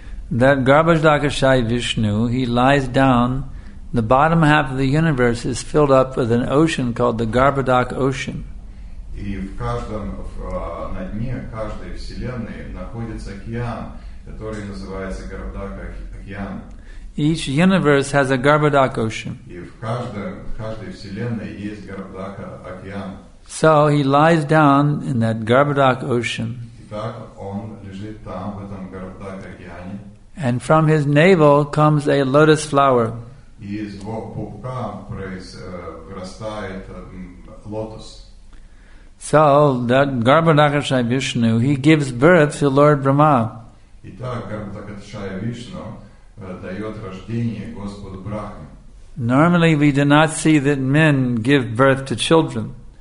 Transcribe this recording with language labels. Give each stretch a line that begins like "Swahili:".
English: That Garbhodakshay Vishnu, he lies down, the bottom half of the universe is filled up with an ocean called the Garbhodak Ocean.
Russian: И в каждом, на дне каждой вселенной находится океан, который называется Garbhodak Ocean.
English: Each universe has a Garbhodak Ocean.
Russian: И в каждой вселенной есть Garbhodak Ocean.
English: So he lies down in that Garbhodak Ocean.
Russian: Итак, он лежит там, в этом Garbhodak Ocean.
English: And from his navel comes a lotus flower. So that Garbhodakshay Vishnu, he gives birth to Lord Brahma.
Russian: И так, как бы так, Шая Вишну дает рождение Господу Брахме.
English: Normally we do not see that men give birth to children.